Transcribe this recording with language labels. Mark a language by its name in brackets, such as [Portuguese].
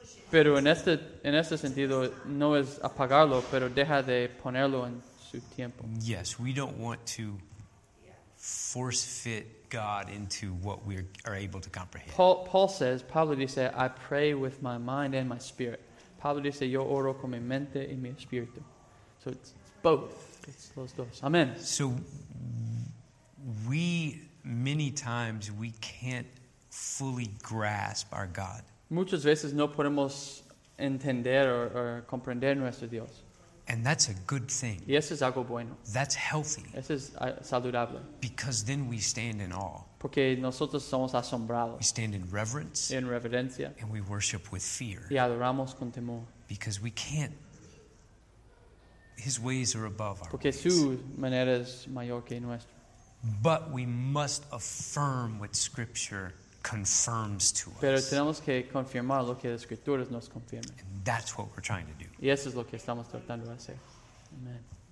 [Spanish] Pero en este sentido, no es apagarlo, pero deja de ponerlo en su tiempo. [English] Yes, we don't want to force fit God into what we are able to comprehend. [Spanish] Pablo dice, [English] I pray with my mind and my spirit. [Spanish] Pablo dice, yo oro con mi mente y mi espíritu. [English] So it's both. [Spanish] It's los dos. Amen. [English] So we, many times, we can't fully grasp our God. [Spanish] Muchas veces no podemos entender or comprender nuestro Dios. [English] And that's a good thing. [Spanish] Y eso es algo bueno. [English] That's healthy. [Spanish] Eso es saludable. [English] Because then we stand in awe. [Spanish] Porque nosotros somos asombrados. [English] We stand in reverence. [Spanish] En reverencia. [English] And we worship with fear. [Spanish] Y adoramos con temor. [English] Because we can't. His ways are above our [Spanish] Porque [English] ways. [Spanish] Porque su manera es mayor que nuestra. [English] But we must affirm what Scripture confirms to us. [Spanish] Pero tenemos que confirmar lo que las Escrituras nos confirman. [English] And that's what we're trying to do. [Spanish] Y eso es lo que estamos tratando de hacer. Amen.